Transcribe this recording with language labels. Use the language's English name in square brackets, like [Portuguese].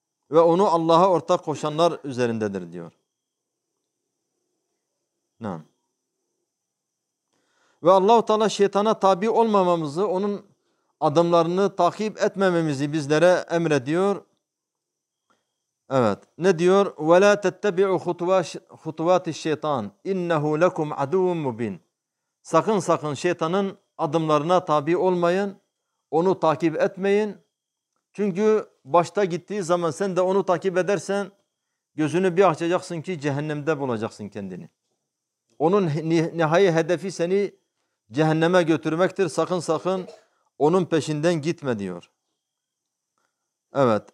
[Turkish] Ve onu Allah'a ortak koşanlar üzerindedir diyor. Nam. Ve Allah-u Teala şeytana tabi olmamamızı, onun adımlarını takip etmememizi bizlere emrediyor. Evet. Ne diyor? [Arabic] وَلَا تَتَّبِعُوا خُطُوَاتِ الشَّيْطَانِ اِنَّهُ لَكُمْ عَدُوٌ مُّبِينٌ [Turkish] sakın sakın şeytanın adımlarına tabi olmayın. Onu takip etmeyin. Çünkü başta gittiği zaman sen de onu takip edersen gözünü bir açacaksın ki cehennemde bulacaksın kendini. Onun nihai hedefi seni cehenneme götürmektir. Sakın sakın onun peşinden gitme diyor. Evet.